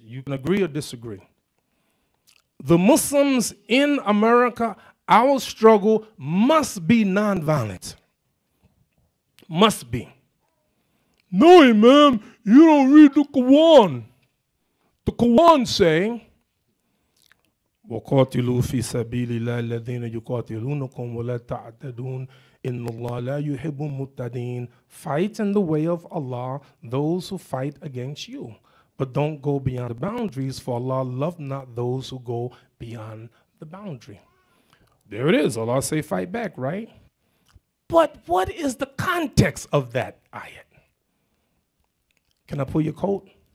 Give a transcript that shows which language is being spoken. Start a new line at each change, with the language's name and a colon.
English: You can agree or disagree. The Muslims in America, our struggle must be nonviolent. Must be. No, Imam, you don't read the Quran. The Quran say,
Arabic: وقاتلوا في سبيل الله الذين يقاتلونكم ولا تعتدون إن الله لا يحب المعتدين.
English: Fight in the way of Allah those who fight against you, but don't go beyond the boundaries, for Allah loves not those who go beyond the boundary. There it is. Allah say fight back, right? But what is the context of that ayat? Can I pull your coat?